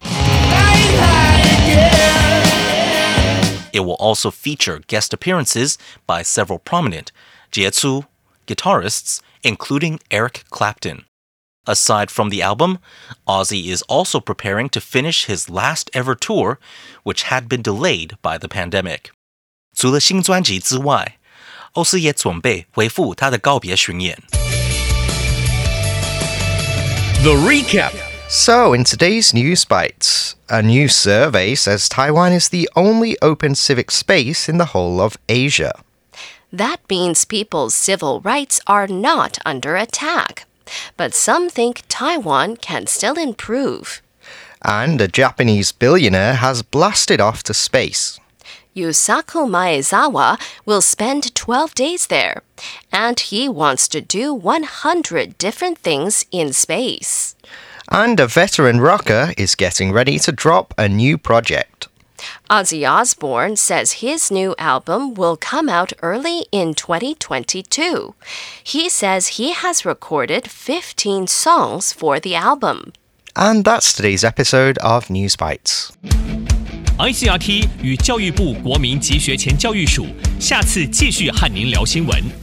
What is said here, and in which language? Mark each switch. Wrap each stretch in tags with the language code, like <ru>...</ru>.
<en>It will also feature guest appearances by several prominent 杰出 guitarists, including Eric Clapton. Aside from the album, Ozzy is also preparing to finish his last ever tour, which had been delayed by the pandemic.</en> <zh>除了新专辑之外，欧斯也准备恢复他的告别巡演。</zh> <en>The recap. So, in today's News Bites, a new survey says Taiwan is the only open civic space in the whole of Asia. That means people's civil rights are not under attack. But some think Taiwan can still improve. And a Japanese billionaire has blasted off to space. Yusaku Maezawa will spend 12 days there. And he wants to do 100 different things in space. And a veteran rocker is getting ready to drop a new project. Ozzy Osbourne says his new album will come out early in 2022. He says he has recorded 15 songs for the album. And that's today's episode of News Bites.</en> <zh>ICRT 与教育部国民及学前教育署下次继续和您聊新闻。</zh>